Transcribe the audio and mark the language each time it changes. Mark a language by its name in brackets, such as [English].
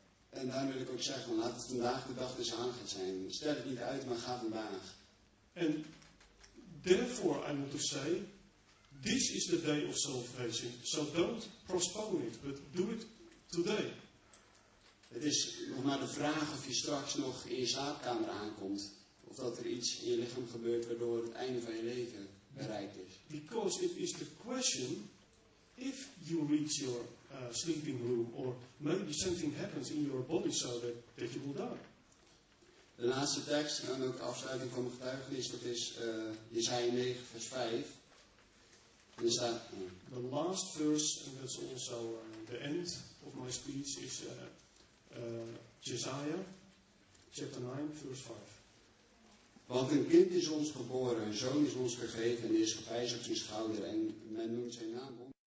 [Dutch] En daarom wil ik ook zeggen, laat het vandaag de dag des aangaan zijn. Stel het niet uit, maar ga vandaag. [English] And therefore I want to say, this is the day of salvation, so don't postpone it, but do it today. [Dutch] Het is nog maar de vraag of je straks nog in je slaapkamer aankomt. Of dat er iets in je lichaam gebeurt waardoor het einde van je leven bereikt is. [English] Because it is the question, if you reach your sleeping room, or maybe something happens in your body so that you will die. [Dutch] De laatste tekst, en ook de afsluiting van mijn getuigenis, dat is Jesaja 9 vers 5. [English] The last verse, and that's also the end of my speech, is Jesaja, chapter 9, verse 5. [Dutch] Want een kind is ons geboren, een zoon is ons gegeven, en de heerschappij is op zijn schouder, en men noemt zijn naam om.